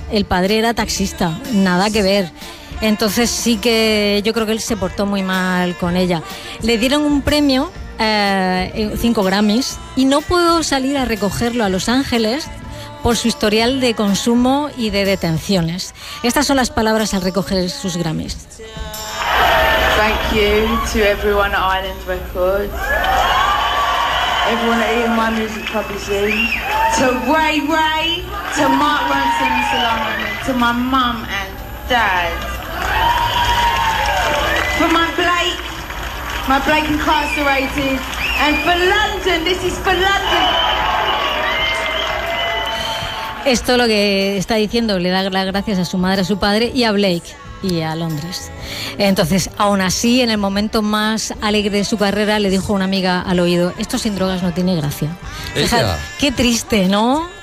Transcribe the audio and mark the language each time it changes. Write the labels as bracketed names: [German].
[Spanish] El padre era taxista, nada que ver. Entonces sí que yo creo que él se portó muy mal con ella. Le dieron un premio, 5 Grammys, y no pudo salir a recogerlo a Los Ángeles por su historial de consumo y de detenciones. Estas son las palabras al recoger sus Grammys. [English] Thank you to everyone at Island Records. Everyone at Eat My Music Publishing. To Ray Ray, to Mark Ronson, to my mum and dad. For my Blake incarcerated, and for London, this is for London. [Spanish] Esto lo que está diciendo, le da las gracias a su madre, a su padre y a Blake y a Londres. Entonces, aún así, en el momento más alegre de su carrera, le dijo a una amiga al oído: esto sin drogas no tiene gracia. Ella. Fijad, qué triste, ¿no?